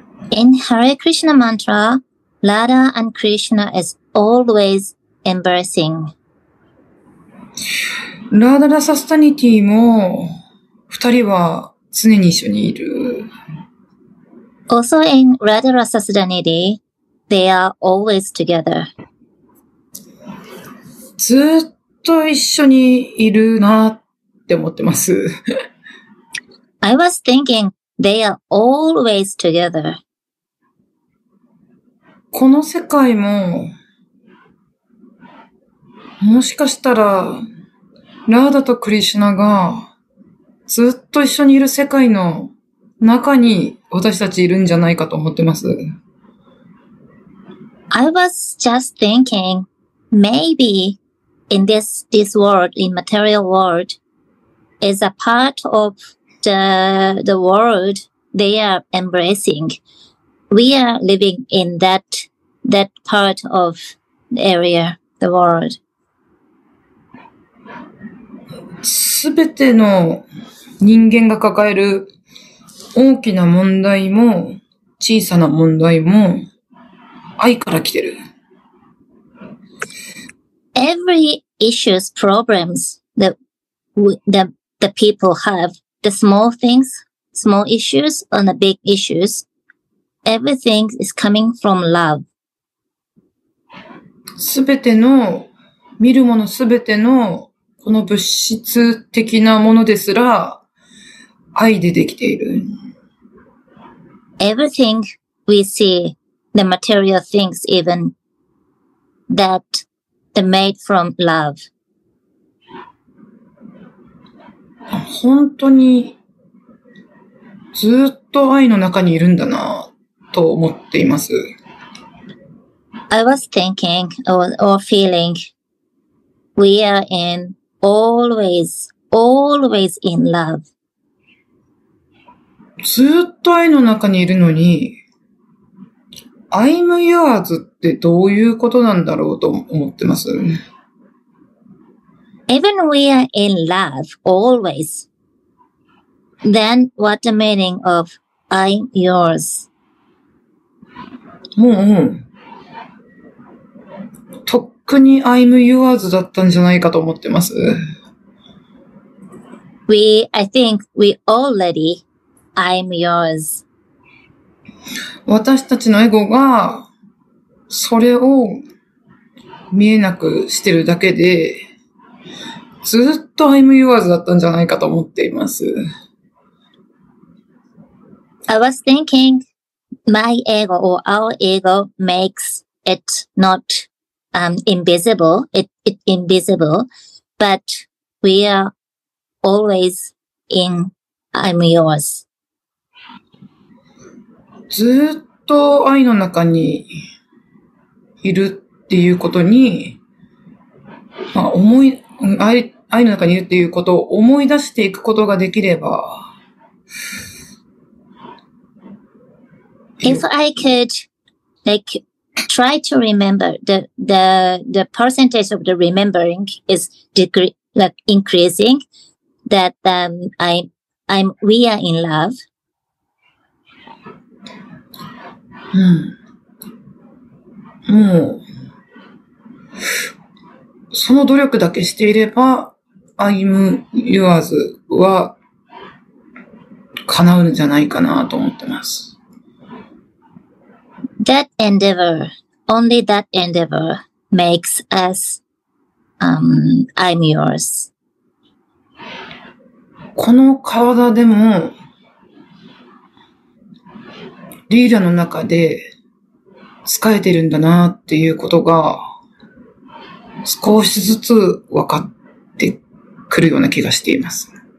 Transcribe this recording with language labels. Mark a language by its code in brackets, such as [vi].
[en] In Hare Krishna Mantra, Radha and Krishna is always embracing. [ja] Radha Rasa Sudaneti も二人は常に一緒にいる。 [en] Also in Radha Rasa Sudaneti, they are always together. [ja] ずっと一緒にいるなって思ってます。 [en] I was thinking they are always together. [ja] この世界も、もしかしたら、ラーダとクリシュナが、ずっと一緒にいる世界の中に私たちいるんじゃないかと思ってます。 [en] I was just thinking, maybe in this world, in material world, is a part of the world they are embracing. We are living in that part of the area, the world. [ja] すべての人間が抱える大きな問題も小さな問題も愛から来てる。 [en] Every issues, problems that the people have, the small things, small issues and the big issues, everything is coming from love. [ja] すべての見るものすべてのこの物質的なものですら愛でできている。 [en] Everything we see, the material things even, that they're made from love. [ja] 本当にずっと愛の中にいるんだなと思っています。 [en] I was thinking or feeling we are in always, always in love. [ja] ずっと愛の中にいるのに、 [en] I'm yours [ja] ってどういうことなんだろうと思ってます。 [en] Even we are in love always, then what the meaning of I'm yours? [ja] もう、とっくに [en] I'm yours [ja] だったんじゃないかと思ってます。 [en] I think we already. I'm yours. [ja] 私たちのエゴがそれを見えなくしてるだけで、ずっと [en] I'm yours [ja] だったんじゃないかと思っています。 [en] I was thinking my ego or our ego makes it not invisible, it invisible, but we are always in I'm yours. [ja] ずっと愛の中にいるっていうことに、まあ、愛の中にいるっていうことを思い出していくことができれば、 [en] If I could, like, try to remember, the percentage of the remembering is increasing, that we are in love. [ja] もう、その努力だけしていれば、 [en] I'm yours [ja] は叶うんじゃないかなと思ってます。 [en] That endeavor, only that endeavor makes us, I'm yours. [ja] この体でも、リーダの中で使えてるんだなっていうことが、少しずつ分かってくるような気がしています。